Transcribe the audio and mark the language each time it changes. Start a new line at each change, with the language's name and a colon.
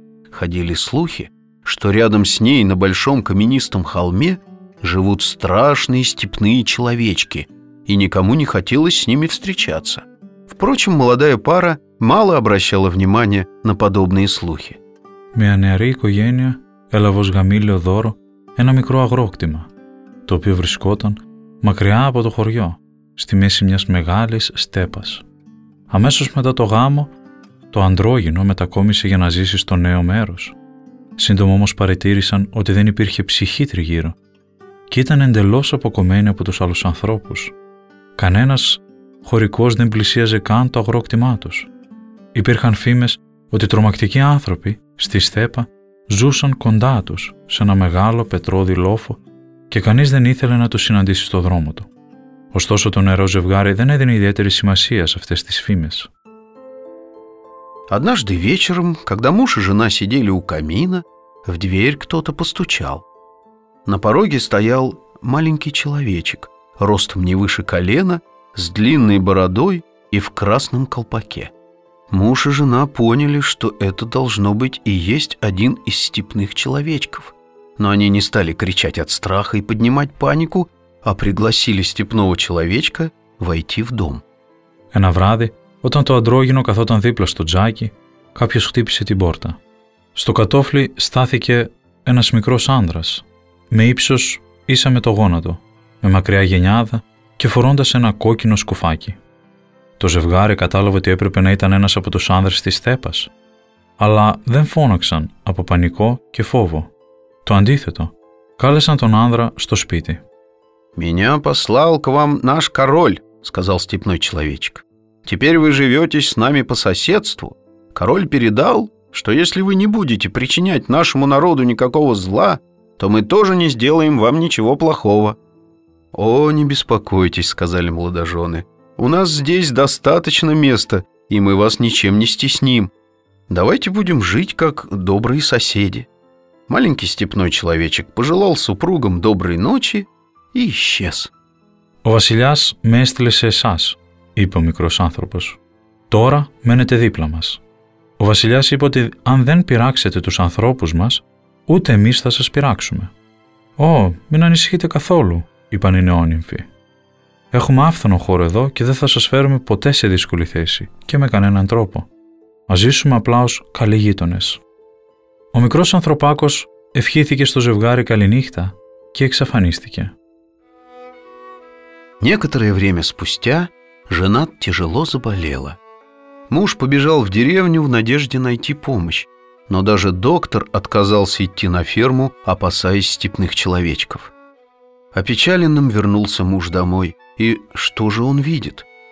Russian: Ходили слухи, что рядом с ней на большом каменистом холме живут страшные степные человечки, и никому не хотелось с ними встречаться. Впрочем, молодая пара мало обращала внимания на подобные слухи.
Greek: Μια νεαρή οικογένεια έλαβε ως γαμήλιο δώρο ένα μικρό αγρόκτημα, το οποίο βρισκόταν μακριά από το χωριό, στη μέση μιας μεγάλης στέπας. Αμέσως μετά το γάμο, το αντρόγινο μετακόμισε για να ζήσει στο νέο μέρος. Σύντομα όμως παρατήρησαν ότι δεν υπήρχε ψυχή τριγύρω και ήταν εντελώς αποκομμένη από τους άλλους ανθρώπους. Κανένας χωρικός δεν πλησίαζε καν το αγρόκτημά τους. Υπήρχαν φήμες ότι τρομακτικοί άνθρωποι στη στέπα ζούσαν κοντά τους σε ένα μεγάλο πετρώδη λόφο και κανείς δεν ήθελε να τους συναντήσει στο δρόμο του. Ωστόσο το νερό ζευγάρι δεν έδινε ιδιαίτερη σημασία σε αυτές τις φήμες.
Russian: Однажды вечером, когда муж и жена сидели у камина, в дверь кто-то постучал. На пороге стоял маленький человечек, ростом не выше колена, с длинной бородой и в красном колпаке. Муж и жена поняли, что это должно быть и есть один из степных человечков. Но они не стали кричать от страха и поднимать панику, а пригласили степного человечка войти в дом.
Greek: Ένα βράδυ, όταν το αντρόγινο καθόταν δίπλα στο τζάκι, κάποιος χτύπησε την πόρτα. Στο κατώφλι στάθηκε ένας μικρός άνδρας, με ύψος ίσα με το γόνατο, με μακριά γενιάδα και φορώντας ένα κόκκινο σκουφάκι. Το ζευγάρι κατάλαβε ότι έπρεπε να ήταν ένας από τους άνδρες της στέπας, αλλά δεν φώναξαν από πανικό και φόβο. Το αντίθετο, κάλεσαν τον άνδρα στο σπίτι.
Russian: «Меня послал к вам наш король», сказал степной человечек. «Теперь вы живете с нами по соседству. Король передал, что если вы не будете причинять нашему народу никакого зла, то мы тоже не сделаем вам ничего плохого». «О, не беспокойтесь», сказали молодожены. «У нас здесь достаточно места, и мы вас ничем не стесним. Давайте будем жить, как добрые соседи». Маленький степной человечек пожелал супругам доброй ночи и исчез.
Greek: «О, Василяс, местлесе сас», είπε ο μικρός άνθρωπος. «Τώρα μένετε δίπλα μας». Ο βασιλιάς είπε ότι αν δεν πειράξετε τους ανθρώπους μας, ούτε εμείς θα σας πειράξουμε. «Ω, μην ανησυχείτε καθόλου», είπαν οι νεόνυμφοι. «Έχουμε άφθονο χώρο εδώ και δεν θα σας φέρουμε ποτέ σε δύσκολη θέση και με κανέναν τρόπο. Ας ζήσουμε απλά ως καλοί γείτονες». Ο μικρός ανθρωπάκος ευχήθηκε στο ζευγάρι καληνύχτα και εξαφανίστηκε.
Russian: Некоторое время спустя жена тяжело заболела. Муж побежал в деревню в надежде найти помощь, но даже доктор отказался идти на ферму, опасаясь степных человечков. Опечаленным вернулся муж домой, и что же он видит?